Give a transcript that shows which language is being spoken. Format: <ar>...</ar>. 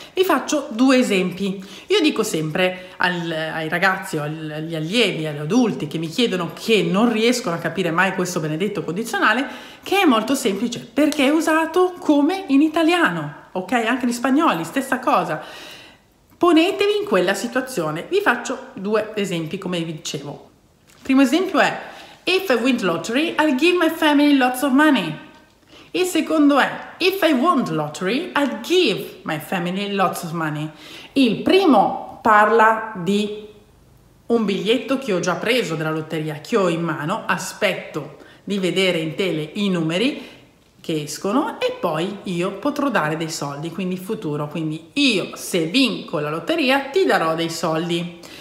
<it>Vi faccio due esempi. Io dico sempre ai ragazzi o agli allievi, agli adulti che mi chiedono che non riescono a capire mai questo benedetto condizionale, che è molto semplice perché è usato come in italiano, ok? Anche gli spagnoli, stessa cosa. Ponetevi in quella situazione. Vi faccio due esempi, come vi dicevo. Primo esempio è:</it> <en>If I win the lottery, I'll give my family lots of money.</en> <it>Il secondo è:</it> <en>If I won the lottery, I'll give my family lots of money.</en> <it>Il primo parla di un biglietto che ho già preso della lotteria, che ho in mano, aspetto di vedere in tele i numeri che escono e poi io potrò dare dei soldi, quindi futuro, quindi io se vinco la lotteria ti darò dei soldi.</it>